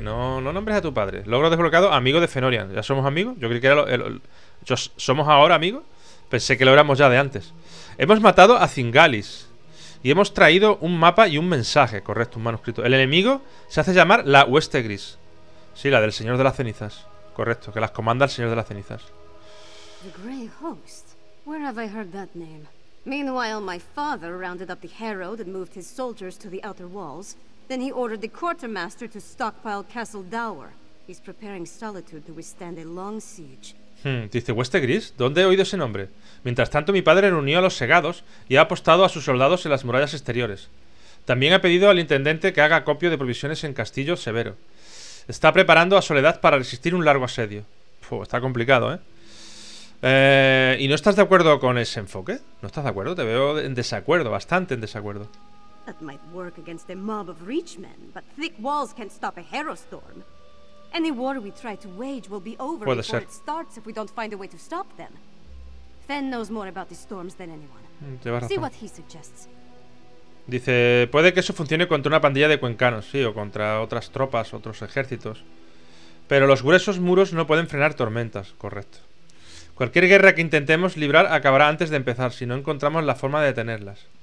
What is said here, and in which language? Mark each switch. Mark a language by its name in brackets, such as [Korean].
[Spanish] No nombres a tu padre. Logro desbloqueado amigo de Fenorian. ¿Ya somos amigos? Yo creí que era ¿somos ahora amigos? Pensé que lo éramos ya de antes. Hemos matado a Zingalis y hemos traído un mapa y un mensaje. Correcto, un manuscrito. El enemigo se hace llamar la Hueste Gris. Sí, la del Señor de las Cenizas. Correcto, que las comanda el Señor de las Cenizas. [English] The Grey Host. Where have I heard that name? Meanwhile, my father rounded up the Harrow and moved his soldiers to the outer walls. Then he ordered the quartermaster to stockpile Castle Dower. He's preparing Solitude to withstand a long siege. [Spanish] Dice, ¿Hueste Gris? ¿Dónde he oído ese nombre? Mientras tanto, mi padre reunió a los segados y ha apostado a sus soldados en las murallas exteriores. También ha pedido al intendente que haga acopio de provisiones en Castillo Severo. Está preparando a Soledad para resistir un largo asedio. Puh, está complicado, ¿eh? ¿Y no estás de acuerdo con ese enfoque? ¿No estás de acuerdo? Te veo en desacuerdo, bastante en desacuerdo. [English] That might work against a mob of Reachmen, but thick walls can't stop a Harrow storm. Any war we try to wage will be over [Spanish] Puede [English] before [Spanish] ser. [English] It starts if we don't find a way to stop them. Fenn knows more about the storms than anyone. See what he suggests. [Spanish] Dice, puede que eso funcione contra una pandilla de cuencanos, sí, o contra otras tropas, otros ejércitos. Pero los gruesos muros no pueden frenar tormentas, correcto. Cualquier guerra que intentemos librar acabará antes de empezar, si no encontramos la forma de detenerlas.